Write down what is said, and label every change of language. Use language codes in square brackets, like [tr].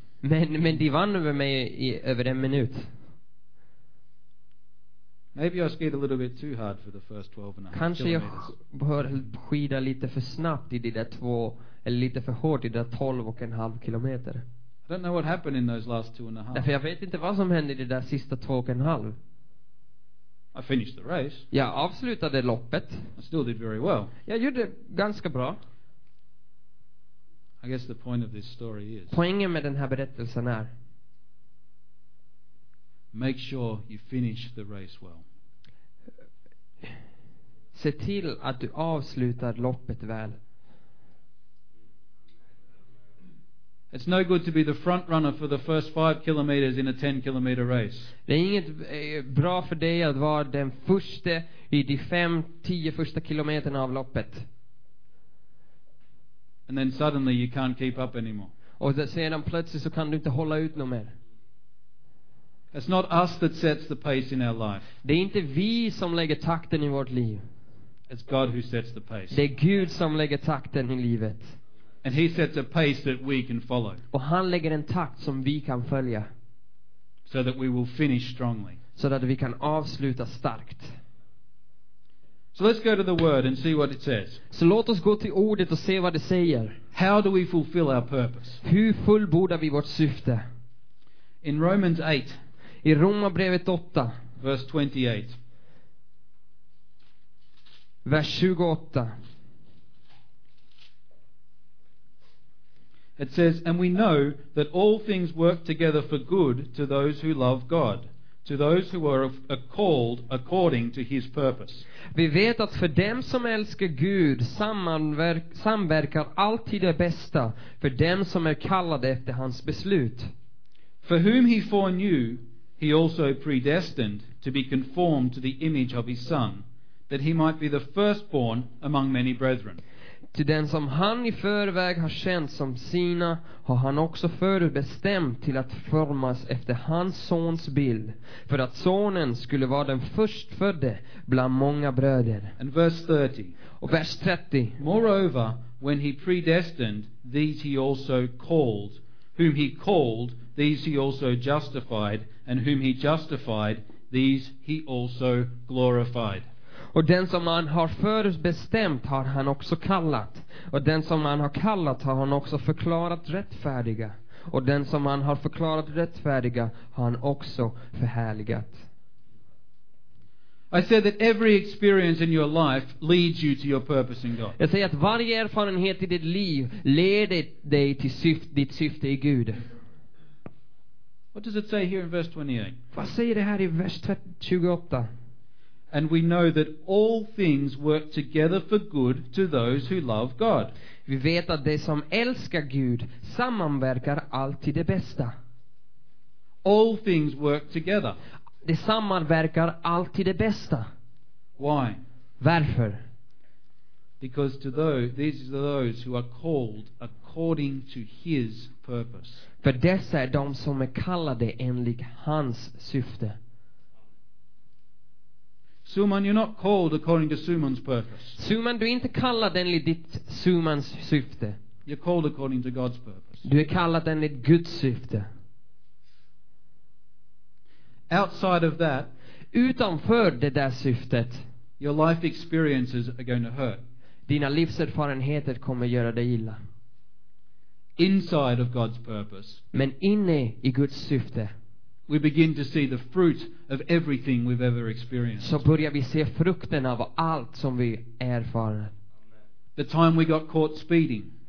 [sv] Men de vann över mig över en minut. [en] Maybe I skied a little bit too hard for the first 12 and a half. [sv] Kanske jag skida lite för snabbt i de där två, eller lite för hårt i de där 12.5 kilometer. [en] I don't know what happened in those last 2.5. [sv] Därför jag vet inte vad som hände i de där sista 2.5. [en] I finished the race. [sv] Jag avslutade loppet. [en] I still did very well. [sv] Jag gjorde ganska bra. [en] I guess the point of this story is. [sv] Poängen med den här berättelsen är. [en] make sure you finish the race well. [sv] Se till att du avslutar loppet väl. [en] It's no good to be the front runner for the first 5 kilometers in a 10-kilometer race. [sv] Det är inget bra för dig att vara den första i de 5-10 första kilometerna av loppet. [en] And then suddenly you can't keep up anymore. [sv] Och sedan plötsligt så kan du inte hålla ut någon mer. [en] It's not us that sets the pace in our life. [sv] Det är inte vi som lägger takten i vårt liv. [en] It's God who sets the pace. [sv] Det är Gud som lägger takten i livet. [en] And he sets a pace that we can follow. [sv] Och han lägger en takt som vi kan följa. [en] So that we will finish strongly. [sv] Så att vi kan avsluta starkt. [en] So let's go to the word and see what it says. [sv] Så låt oss gå till ordet och se vad det säger. [en] How do we fulfill our purpose? [sv] Hur fullbordar vi vårt syfte? [en] In Romans 8. [sv] I Romarbrevet 8. [en] Verse 28. [sv] Vers 28. [en] It says, and we know that all things work together for good to those who love God, to those who are called according to his purpose. [sv] Vi vet att för dem som älskar Gud samverkar alltid det bästa för dem som är kallade efter hans beslut. [en] For whom he foreknew, he also predestined to be conformed to the image of his son, that he might be the firstborn among many brethren. [sv] Till den som han i förväg har känt som sina har han också förutbestämt till att formas efter hans sons bild, för att sonen skulle vara den förstfödde bland många bröder. [en] And verse 30. [sv] Och vers 30. [en] Moreover, when he predestined, these he also called. Whom he called, these he also justified. And whom he justified, these he also glorified. [sv] Och den som han har förutbestämt har han också kallat. Och den som han har kallat har han också förklarat rättfärdiga. Och den som han har förklarat rättfärdiga har han också förhärligat. [en] I said that every experience in your life leads you to your purpose in God. [sv] Jag säger att varje erfarenhet i ditt liv leder dig till ditt syfte i Gud. [en] What does it say here in verse 28? [sv] Vad säger det här i vers 28? [en] And we know that all things work together for good to those who love God. [sv] Vi vet att de som älskar Gud sammanverkar alltid det bästa. [en] All things work together. [sv] De sammanverkar alltid det bästa. [en] Why? [sv] Varför? [en] Because to those, these are those who are called according to his purpose. [sv] För dessa är de som är kallade enligt hans syfte. [en] Suman, you're not called according to Suman's purpose. [sv] Suman, du är inte kallad enligt ditt Sumans syfte. [en] You're called according to God's purpose. [sv] Du är kallad enligt Guds syfte. [en] Outside of that, [sv] utanför det där syftet, [en] your life experiences are going to hurt. [sv] Dina livserfarenheter kommer göra dig illa. [en] Inside of God's purpose. [sv] Men inne i Guds syfte. [en] We begin to see the fruit of everything we've ever experienced. [sv] Så börjar vi se frukten av allt som vi erfarit. [en] The time we got caught speeding.